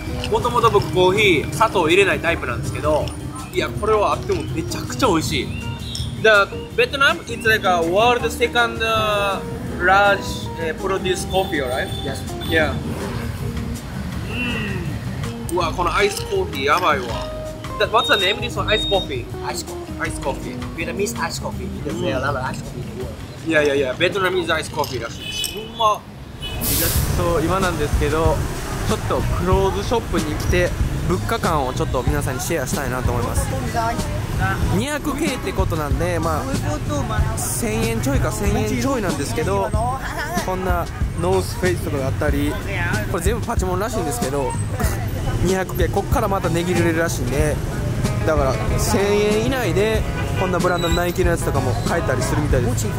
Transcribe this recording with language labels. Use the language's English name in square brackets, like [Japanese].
[Japanese] もともと僕コーヒー、砂糖入れないタイプなんですけど、いや、これはあってもめちゃくちゃ美味しい。 [English] で、ベトナム、it's like a world second large、produce coffee, right? Yes. Yeah. [Japanese] うわ、このアイスコーヒーやばいわ。 [English] That, what's the name of this one? Ice coffee? Ice coffee. Vietnamese ice coffee. Because there are a lot of ice coffee in the world. Yeah, yeah, yeah. Vietnamese ice coffee [Japanese] らしいです。うまっ。ちょっと今なんですけど、ちょっとクローズショップに来て、物価感をちょっと皆さんにシェアしたいなと思います。 200K ってことなんで、まあ1000円ちょいか1000円ちょいなんですけど、こんなノースフェイスとかがあったり、これ全部パチモンらしいんですけど、 200K こっからまた値切れるらしいんで、だから1000円以内でこんなブランドのナイキのやつとかも買えたりするみたいです。